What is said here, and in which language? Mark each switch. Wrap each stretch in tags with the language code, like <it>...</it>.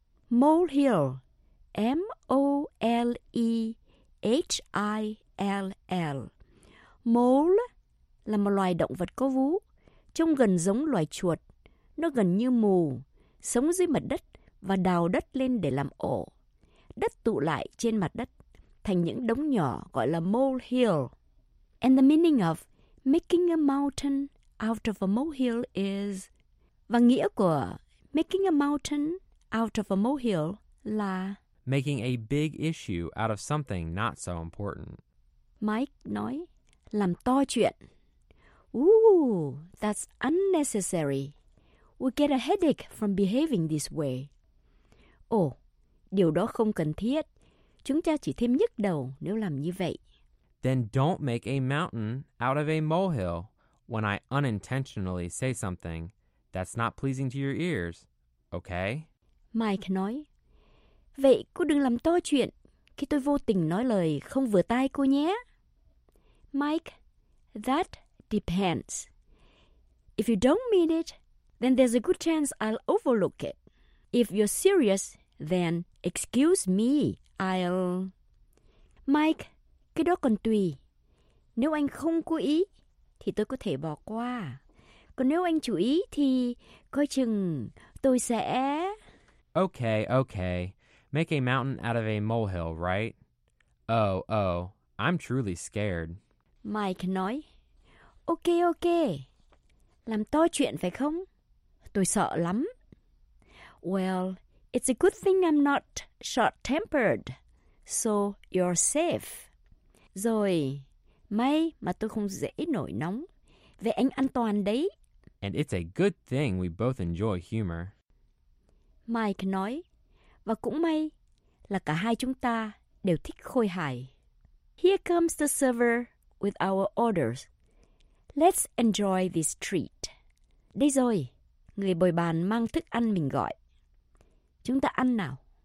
<en>Molehill, M-O-L-E-H-I-L-L.</en> <vi>Mole là một loài động vật có vú, trông gần giống loài chuột. Nó gần như mù, sống dưới mặt đất và đào đất lên để làm ổ. Đất tụ lại trên mặt đất thành những đống nhỏ gọi là molehill.</vi> <en>And the meaning of making a mountain out of a molehill is...</en> <vi>Và nghĩa của</vi> <en>making a mountain out of a molehill</en> <vi>là...</vi> <en>Making a big issue out of something not so important.</en> <vi>Mike nói, làm to chuyện.</vi> <en>Ooh, that's unnecessary. We get a headache from behaving this way.</en> <vi>Oh, điều đó không cần thiết. Chúng ta chỉ thêm nhức đầu nếu làm như vậy.</vi> <en>Then don't make a mountain out of a molehill when I unintentionally say something that's not pleasing to your ears, okay?</en> <vi>Mike nói, vậy cô đừng làm to chuyện khi tôi vô tình nói lời không vừa tai cô nhé.</vi> <en>Mike, that depends. If you don't mean it, then there's a good chance I'll overlook it. If you're serious, then excuse me, I'll...</en> <vi>Mike, cái đó còn tùy. Nếu anh không cố ý, thì tôi có thể bỏ qua. Còn nếu anh chú ý thì coi chừng tôi sẽ...</vi> <en>Okay, okay. Make a mountain out of a molehill, right? Oh, oh, I'm truly scared.</en> <vi>Mike nói, ok, ok. Làm to chuyện phải không? Tôi sợ lắm.</vi> <en>Well, it's a good thing I'm not short-tempered, so you're safe.</en> <vi>Rồi, may mà tôi không dễ nổi nóng. Vậy anh an toàn đấy.</vi> <en>And it's a good thing we both enjoy humor.</en> <vi>Mike nói, và cũng may là cả hai chúng ta đều thích khôi hài.</vi> <en>Here comes the server with our orders. Let's enjoy this treat.</en> <vi>Đây rồi, người bồi bàn mang thức ăn mình gọi. Chúng ta ăn nào.</vi>